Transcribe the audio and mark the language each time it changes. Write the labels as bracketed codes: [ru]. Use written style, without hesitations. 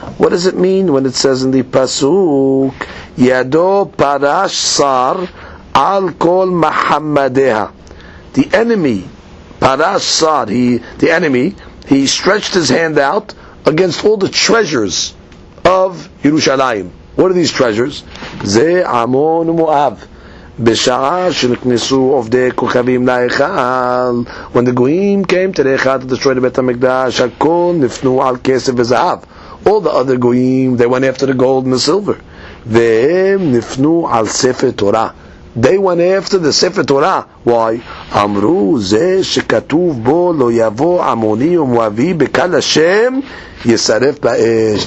[en] What does it mean when it says in the pasuk, Yado parash sar al kol Muhammadeha? The enemy, parash sar. He stretched his hand out against all the treasures of Yerushalayim. What are these treasures? [he] Ze Amon Moav. בשעה שנכנסו עובדי כוכבים להיכל, [en] when the goyim came to the echad to destroy the [he] בית המקדש, הכל נפנו על כסף וזהב. [en] All the other goyim, they went after the gold and the silver. [he] והם נפנו על ספר תורה. [en] They went after the ספר תורה. Why? [he] אמרו זה שכתוב בו לא יבוא עמוני ומואבי בקל השם יסרף באש.